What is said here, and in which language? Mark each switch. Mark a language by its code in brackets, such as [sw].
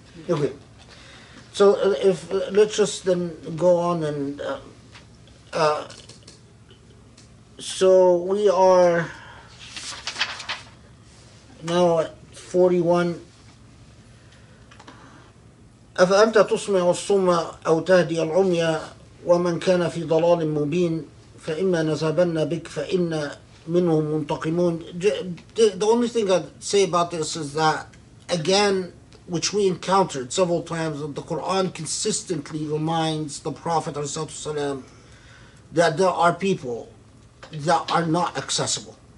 [en] Okay. So if let's just then go on and so we are now at 41. [ar] أفأنت تسمع الصم أو تهدي العمية ومن كان في ضلال مبين فإما نذهبن بك فإنا منهم منتقمون. [en] The only thing I'd say about this is that, again, which we encountered several times, that the Quran consistently reminds the Prophet ﷺ that there are people that are not accessible.